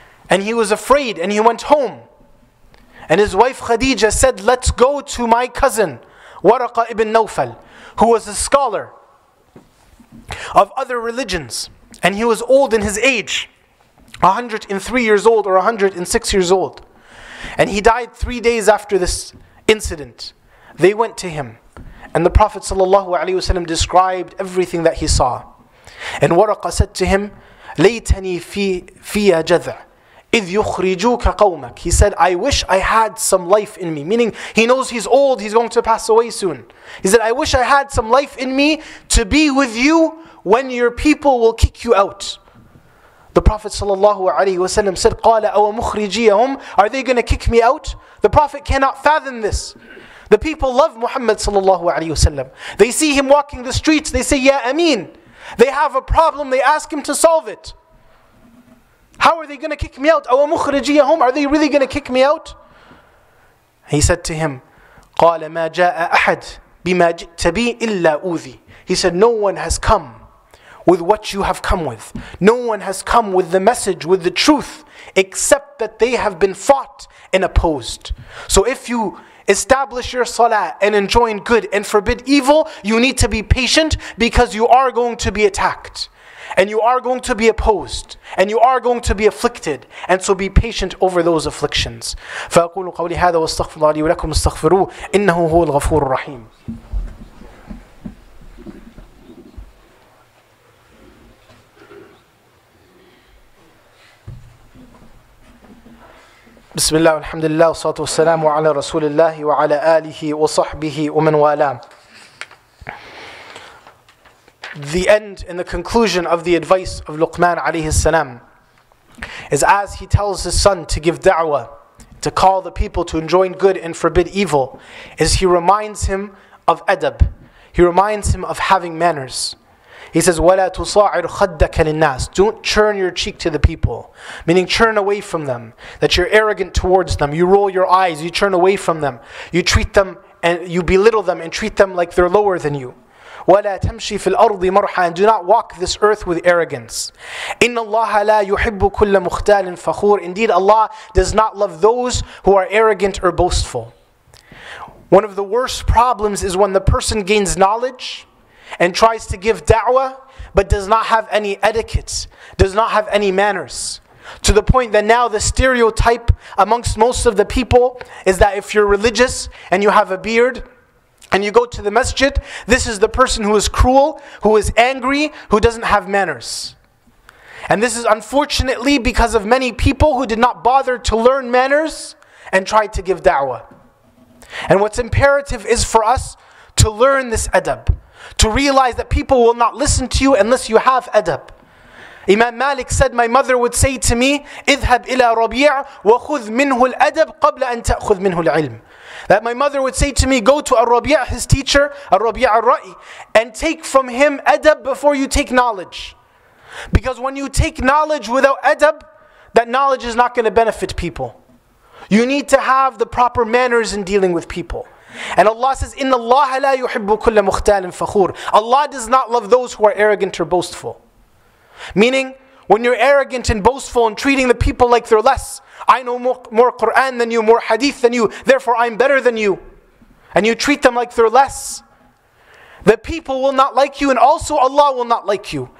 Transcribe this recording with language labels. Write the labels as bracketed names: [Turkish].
[English] And he was afraid, and he went home. And his wife Khadija said, let's go to my cousin, Waraqa ibn Nawfal, who was a scholar of other religions. And he was old in his age, 103 years old or 106 years old. And he died 3 days after this incident. They went to him. And the Prophet ﷺ described everything that he saw. And Waraqa said to him, [Arabic] لَيْتَنِي فِيَا جَذْعَ إِذْ يُخْرِجُوكَ قَوْمَكَ. [English] He said, I wish I had some life in me. Meaning, he knows he's old, he's going to pass away soon. He said, I wish I had some life in me to be with you when your people will kick you out. The Prophet ﷺ said, [Arabic] قَالَ أَوَمُخْرِجِيَهُمْ. [English] Are they going to kick me out? The Prophet cannot fathom this. The people love Muhammad ﷺ. They see him walking the streets, they say, Ya Amin. They have a problem, they ask him to solve it. How are they going to kick me out? [Arabic] أَوَمُخْرِجِيَهُمْ. [English] Are they really going to kick me out? He said to him, [Arabic] قَالَ مَا جَاءَ أَحَدْ بِمَا جِئْتَ بِي إِلَّا أُوذِي. [English] He said, no one has come with what you have come with. No one has come with the message, with the truth, except that they have been fought and opposed. So if you establish your salah and enjoin good and forbid evil, you need to be patient because you are going to be attacked. And you are going to be opposed. And you are going to be afflicted. And so be patient over those afflictions. [Arabic] فَأَقُولُ قَوْلِ هَذَا وَاسْتَغْفِرُ اللَّهِ وَلَكُمْ اسْتَغْفِرُوهُ إِنَّهُ هُوَ الْغَفُورُ الرَّحِيمُ. بسم الله والحمد لله والصلاة والسلام على رسول الله وعلى آله وصحبه ومن والاه. [English] The end and the conclusion of the advice of Luqman عليه السلام is as he tells his son to give da'wah, to call the people to enjoin good and forbid evil, is he reminds him of adab. He reminds him of having manners. He says, [Arabic] وَلَا تُصَاعِرْ خَدَّكَ لِلنَّاسِ. [English] Don't churn your cheek to the people. Meaning churn away from them. That you're arrogant towards them. You roll your eyes. You turn away from them. You treat them and you belittle them and treat them like they're lower than you. [Arabic] وَلَا تَمْشِي فِي الْأَرْضِ مَرْحًا. [English] And do not walk this earth with arrogance. [Arabic] إِنَّ اللَّهَ لَا يُحِبُّ كُلَّ مُخْتَالٍ فَخُورٍ. [English] Indeed, Allah does not love those who are arrogant or boastful. One of the worst problems is when the person gains knowledge and tries to give da'wah, but does not have any etiquette, does not have any manners. To the point that now the stereotype amongst most of the people is that if you're religious and you have a beard and you go to the masjid, this is the person who is cruel, who is angry, who doesn't have manners. And this is unfortunately because of many people who did not bother to learn manners and tried to give da'wah. And what's imperative is for us to learn this adab. to realize that people will not listen to you unless you have adab. Imam Malik said, my mother would say to me, [Arabic] اذهب إلى ربيع وخذ منه الأدب قبل أن تأخذ منه العلم. [English] That my mother would say to me, go to al-Rabi', his teacher, al-Rabi' al-Ra'i, and take from him adab before you take knowledge. Because when you take knowledge without adab, that knowledge is not going to benefit people. You need to have the proper manners in dealing with people. And Allah says, [Arabic] إِنَّ اللَّهَ لَا يُحِبُّ كُلَّ مُخْتَالٍ فَخُورٍ. [English] Allah does not love those who are arrogant or boastful. Meaning, when you're arrogant and boastful and treating the people like they're less, I know more Qur'an than you, more hadith than you, therefore I'm better than you, and you treat them like they're less, the people will not like you, and also Allah will not like you.